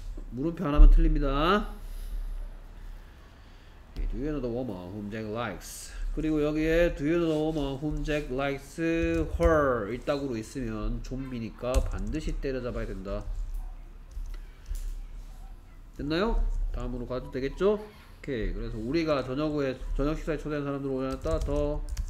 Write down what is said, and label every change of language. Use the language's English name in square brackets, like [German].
[Korean] 물음표 하나만 틀립니다. [English] Okay, do you know the woman whom Jack likes? [Korean] 그리고 여기에 [English] Do you know the woman whom Jack likes her? [Korean] 일따구로 있으면 좀비니까 반드시 때려잡아야 된다. 됐나요? 다음으로 가도 되겠죠? 오케이. 그래서 우리가 저녁 후에 저녁 식사에 초대한 사람들을 오지 않았다.